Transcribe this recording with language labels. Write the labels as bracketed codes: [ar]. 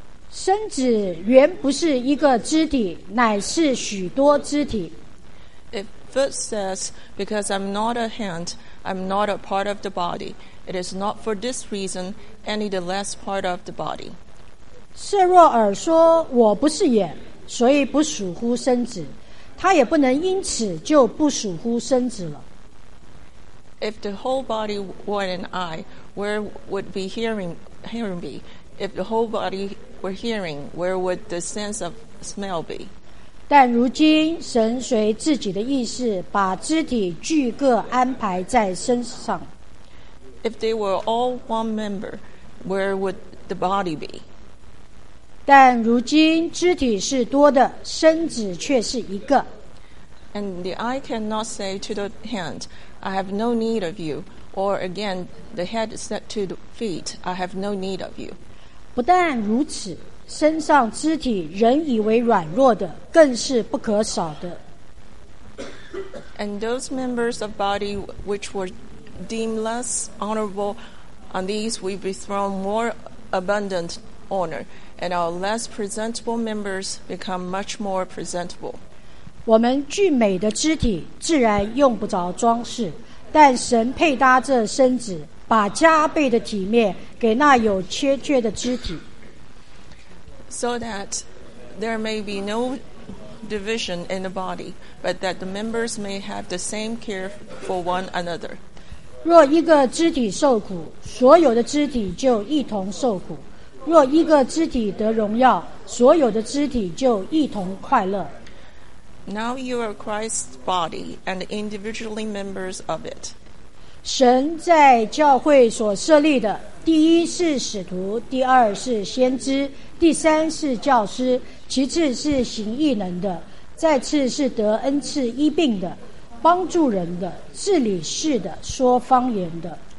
[zh] 身子原不是一个肢体，乃是许多肢体。 [en] If foot says, because I'm not a hand, I'm not a part of the body, it is not for this reason any the less part of the body. [zh] 设若耳说我不是眼所以不属乎身子他也不能因此就不属乎身子了 [en] If the whole body were an eye where would be hearing be If the whole body were hearing where would the sense of smell be [zh] 但如今神随自己的意思把肢体俱各安排在身上 [en] If they were all one member where would the body be [zh] 但如今肢体是多的身子却是一个 [en] And the eye cannot say to the hand I have no need of you Or again the head said to the feet I have no need of you [zh] 不但如此身上肢体人以为软弱的更是不可少的 [en] And those members of body which were deemed less honorable On these we bestow more abundant honorAnd our less presentable members become much more presentable. [zh] 我们俱美的肢体自然用不着装饰，但神配搭这身子，把加倍的体面给那有缺缺的肢体。 [en] So that there may be no division in the body, but that the members may have the same care for one another. [zh] 若一个肢体受苦，所有的肢体就一同受苦。若一个肢体得荣耀，所有的肢体就一同快乐。 [en] Now you are Christ's body and individually members of it. [zh] 神在教会所设立的，第一是使徒，第二是先知，第三是教师，其次是行异能的，再次是得恩赐医病的，帮助人的，治理事的，说方言的。